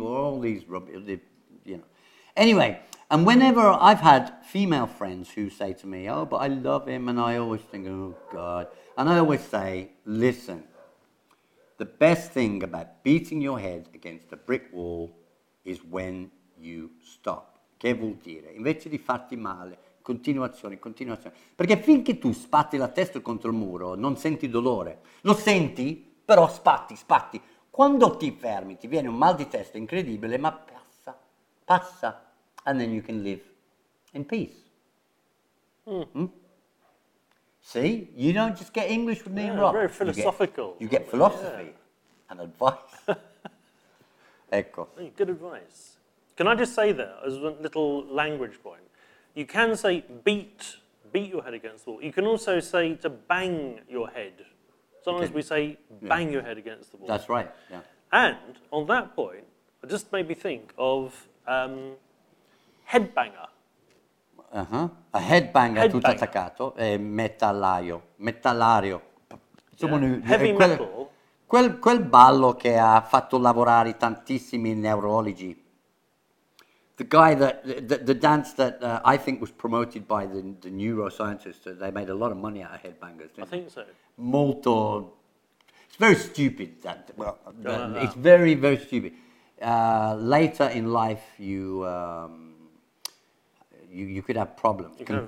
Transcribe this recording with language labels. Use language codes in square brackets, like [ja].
[en] Or all these rubbish, you know. Anyway, and whenever I've had female friends who say to me, oh, but I love him. And I always think, oh, God. And I always say, listen, the best thing about beating your head against a brick wall is when you stop. [it] Che vuol dire? Invece di farti male, continuazione. Perché finché tu spatti la testa contro il muro, non senti dolore. Lo senti, però spatti. Quando ti fermi, ti viene un mal di testa incredibile, ma passa. [en] And then you can live in peace. See? You don't just get English with name rock. Very philosophical. You get philosophy and advice. Ecco. Good advice. Can I just say that as a little language point? You can say beat your head against the wall. You can also say to bang your head. Sometimes we say bang your head against the wall. That's right, yeah. And on that point, it just made me think of headbanger. [it] Uh-huh. A headbanger, tutto attaccato, è metallaio, metallario. Insomma, heavy metal. Quel ballo che ha fatto lavorare tantissimi neurologi. [en] The guy that, the dance that I think was promoted by the neuroscientists, they made a lot of money out of headbangers. I think so. Molto, it's very stupid. That, well, it's very, very stupid. Later in life, you could have problems.